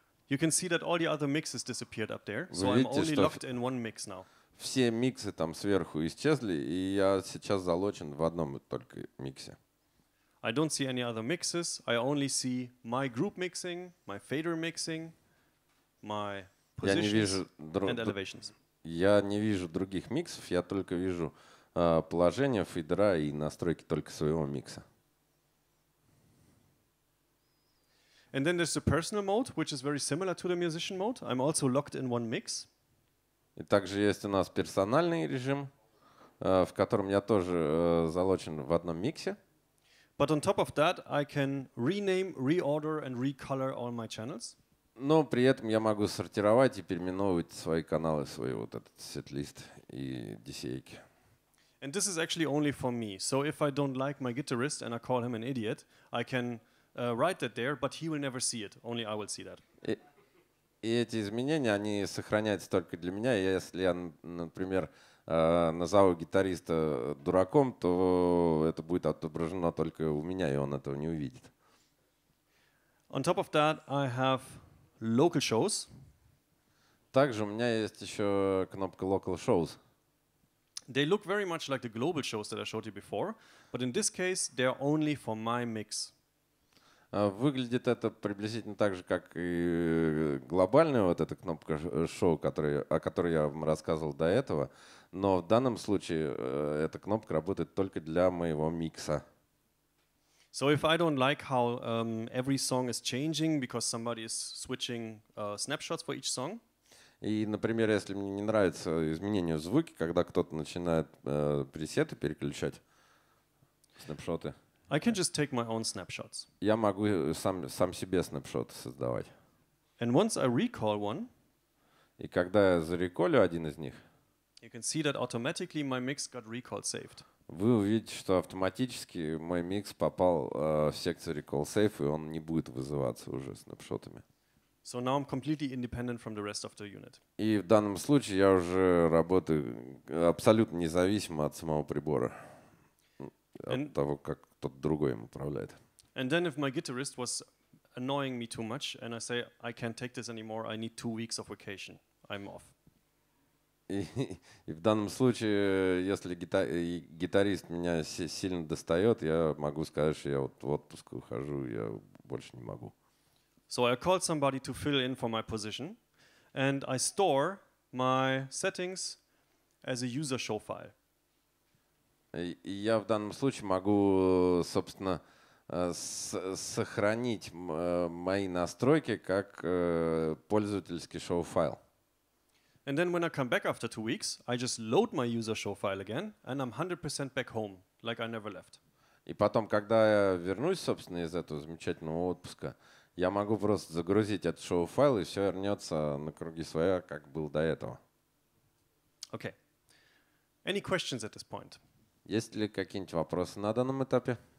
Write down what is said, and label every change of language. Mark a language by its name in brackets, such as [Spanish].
[English] You can see that all the other mixes disappeared up there, so I'm only locked in one mix now. [Russian] Все миксы там сверху исчезли, и я сейчас залочен в одном только миксе. [English] I don't see any other mixes. I only see my group mixing, my fader mixing, my positions and elevations. [Russian] Я не вижу других миксов, я только вижу положение фейдера и настройки только своего микса. [English] And then there's the personal mode, which is very similar to the musician mode. I'm also locked in one mix. [Russian] И также есть у нас персональный режим, в котором я тоже залочен в одном миксе. [English] But on top of that, I can rename, reorder and recolor all my channels. [Russian] Но при этом я могу сортировать и переименовывать свои каналы, свой вот этот сет-лист и DCA-ки. [English] And this is actually only for me. So if I don't like my guitarist and I call him an idiot, I can write that there, but he will never see it. Only I will see that. [Russian] И эти изменения, они сохраняются только для меня. Если я, например, назову гитариста дураком, то это будет отображено только у меня, и он этого не увидит. [English] On top of that, I have local shows. [Russian] Также у меня есть еще кнопка [English] local shows. They look very much like the global shows that I showed you before, but in this case, they're only for my mix. [Russian] Выглядит это приблизительно так же, как и глобальная вот эта кнопка шоу, о которой я вам рассказывал до этого. Но в данном случае эта кнопка работает только для моего микса. [English] So if I don't like how every song is changing because somebody is switching snapshots for each song. [Russian] И, например, если мне не нравится изменение в звуке, когда кто-то начинает пресеты переключать, снапшоты. [English] I can just take my own snapshots. [Russian] Я могу сам себе снапшоты создавать. [English] And once I recall one, [Russian] и когда я зареколю один из них, [English] you can see that automatically my mix got recall saved. [Russian] Вы увидите, что автоматически мой микс попал в секцию [English] recall save, [Russian] и он не будет вызываться уже снапшотами. [English] So now I'm completely independent from the rest of the unit. [Russian] И в данном случае я уже работаю абсолютно независимо от самого прибора, от того, как тот другой им управляет. [English] And then if my guitarist was annoying me too much and I say I can't take this anymore, I need 2 weeks of vacation, I'm off. [Russian] И в данном случае, если гитарист меня сильно достает, я могу сказать, что я вот в отпуск ухожу, я больше не могу. [English] So I called somebody to fill in for my position, and I store my settings as a user show file. [Russian] Я в данном случае могу, собственно, сохранить мои настройки как пользовательский шоу файл. [English] And then when I come back after 2 weeks, I just load my user show file again, and I'm 100% back home, like I never left. [Russian] И потом, когда я вернусь, собственно, из этого замечательного отпуска, я могу просто загрузить этот шоу-файл, и все вернется на круги своя, как было до этого. [English] Okay. Any questions at this point? [Russian] Есть ли какие-нибудь вопросы на данном этапе?